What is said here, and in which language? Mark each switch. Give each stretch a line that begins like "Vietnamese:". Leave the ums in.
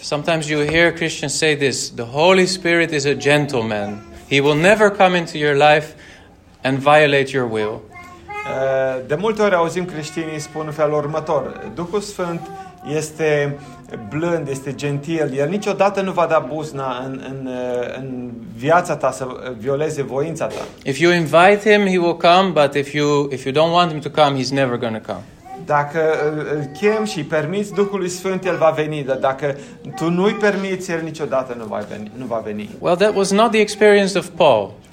English: Sometimes you hear Christians say this, the Holy Spirit is a gentleman. He will never come into your life and violate your will.
Romanian: De multe ori auzim creștinii spun în felul următor, Duhul Sfânt este blând, este gentil. El niciodată nu va da buzna în, în, în viața ta să violeze voința ta.
English: If you invite him, he will come, but if you, if you don't want him to come, he's never going to come.
Romanian: Dacă îl chem și îi permiți Duhului Sfânt, el va veni, dar dacă tu nu îi permiți, el niciodată nu nu va veni.
English: Well, that was not the experience of Paul.